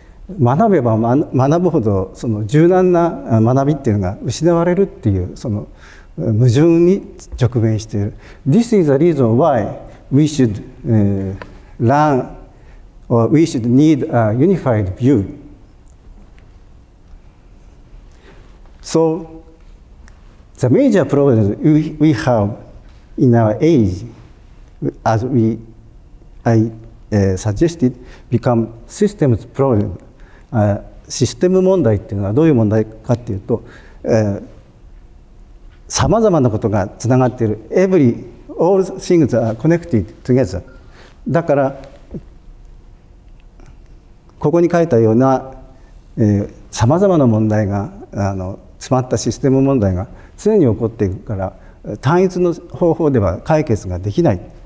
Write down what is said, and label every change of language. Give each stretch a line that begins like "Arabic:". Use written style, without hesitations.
Japanese: 学べば学ぶほどその柔軟な学びっていうのが失われるっていう、その矛盾に直面している。
English: This is the reason why we should learn or we should need a unified view. So, the major problems we have in our age, as I suggested, become systems problem.
Japanese: システム問題っていうのはどういう問題かっていうと、さまざまなことがつながっている。
English: All things are connected together.
Japanese: だから、ここに書いたような、さまざまな問題が、詰まったシステム問題が常に起こっているから、単一の方法では解決ができない。